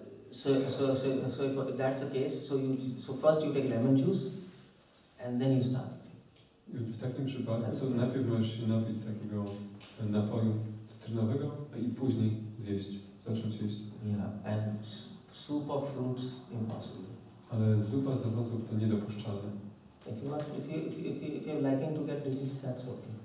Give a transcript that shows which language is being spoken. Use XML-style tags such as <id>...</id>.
<en>So if that's the case, so first you take lemon juice and then you start eating.</en> <pl>W takim przypadku, to najpierw możesz się napić takiego napoju cytrynowego i później zacząć jeść.</pl> <en>Yeah, and soup of fruits impossible.</en> <pl>Ale zupa z owoców to niedopuszczalne.</pl> <en>If you're liking to get disease, that's okay.</en>